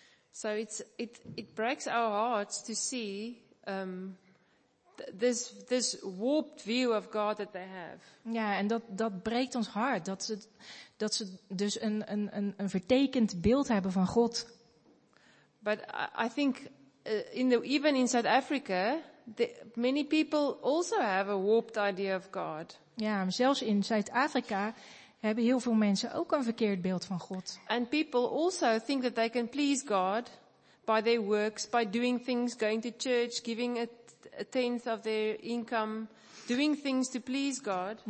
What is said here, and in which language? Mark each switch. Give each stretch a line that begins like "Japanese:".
English: So it breaks our hearts to see this warped view of God that they have.
Dutch: Ja, en dat breekt ons hart dat ze dus een vertekend beeld hebben van God.
English: But I think even in South Africa, many people also have a warped idea of God.
Dutch: Ja, zelfs in Zuid-Afrika hebben heel veel mensen ook een verkeerd beeld van God.
English: And people also think that they can please God by their works, by doing things, going to church, giving a tenth of their income, doing things to please God.